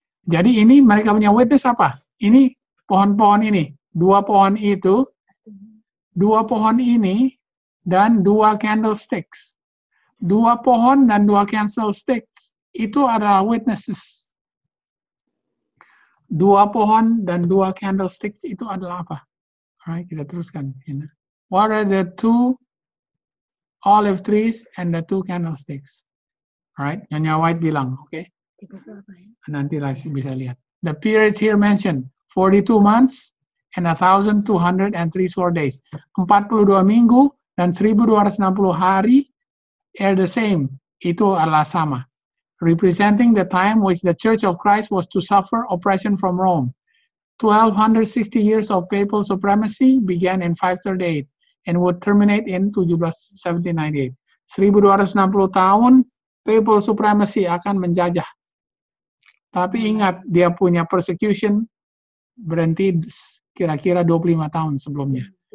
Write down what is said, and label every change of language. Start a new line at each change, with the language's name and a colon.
Indonesian: Jadi ini mereka punya witness apa? Ini pohon-pohon ini, dua pohon ini dan dua candlesticks. Dua pohon dan dua candlesticks itu adalah witnesses. Dua pohon dan dua candlesticks itu adalah apa? Alright, kita teruskan.
English: What are the two olive trees and the two candlesticks?
Indonesian: Alright, Nyonya White bilang, oke.
English: Okay?
Indonesian: Nanti lah bisa lihat.
English: The periods here mentioned, 42 months and 1,203 days.
Indonesian: 42 minggu dan 1260 hari
English: are the same.
Indonesian: Itu adalah sama.
English: representing the time which the Church of Christ was to suffer oppression from Rome. 1260 years of papal supremacy began in 538 and would terminate in 1798.
Indonesian: 1260 tahun papal supremacy akan menjajah. Tapi ingat, dia punya persecution berhenti kira-kira 25 tahun sebelumnya.